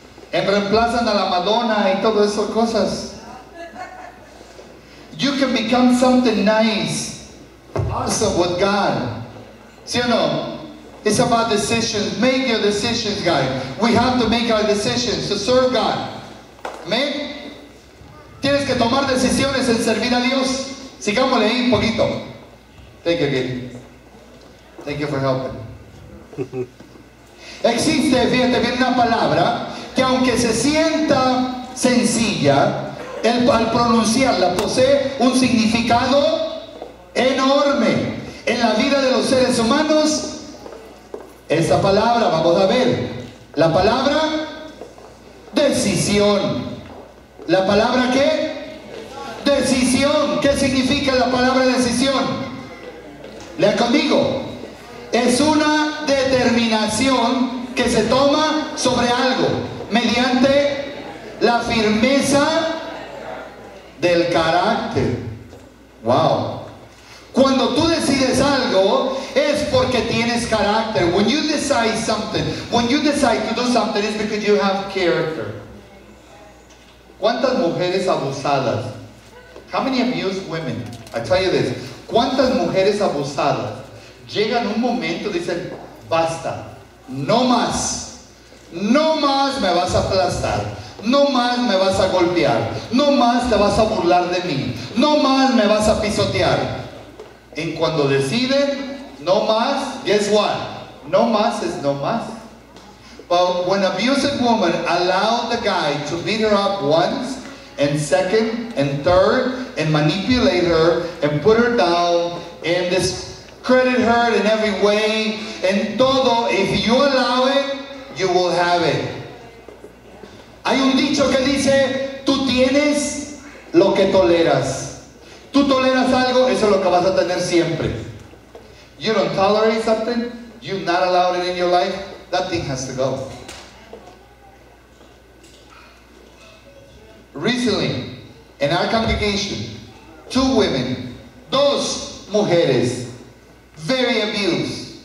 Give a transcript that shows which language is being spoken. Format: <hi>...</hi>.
<es>En reemplazan a la Madonna y todas esas cosas.</es> <en>You can become something nice, awesome with God.</en> <es>¿Sí o no?</es> <en>It's about decisions. Make your decisions, guys. We have to make our decisions to serve God. Amen.</en> <es>Tienes que tomar decisiones en servir a Dios. Sigámosle ahí un poquito.</es> <en>Thank you, Gil. Thank you for helping.</en> <es>Existe, fíjate bien, una palabra que aunque se sienta sencilla, al pronunciarla posee un significado enorme en la vida de los seres humanos. Esta palabra, vamos a ver, la palabra decisión. ¿La palabra qué? Decisión. ¿Qué significa la palabra decisión? Lea conmigo. Es una determinación que se toma sobre algo mediante la firmeza del carácter. Wow. Cuando tú decides algo, es porque tienes carácter.</es> <en>When you decide something, when you decide to do something, it's because you have character.</en> <es>¿Cuántas mujeres abusadas?</es> <en>How many abused women? I tell you this.</en> <es>¿Cuántas mujeres abusadas llegan un momento y dicen, basta, no más, no más me vas a aplastar, no más me vas a golpear, no más te vas a burlar de mí, no más me vas a pisotear? En cuando deciden, no más,</es> <en>guess what?</en> <es>No más es no más.</es> <en>But when an abusive woman allowed the guy to beat her up once, and second, and third, and manipulate her, and put her down, and discredit her in every way, and todo, if you allow it, you will have it.</en> <es>Hay un dicho que dice, tú tienes lo que toleras. Tú toleras algo, eso es lo que vas a tener siempre.</es> <en>You don't tolerate something, you've not allowed it in your life, that thing has to go. Recently, in our congregation, two women,</en> <es>dos mujeres,</es> <en>very abused.</en>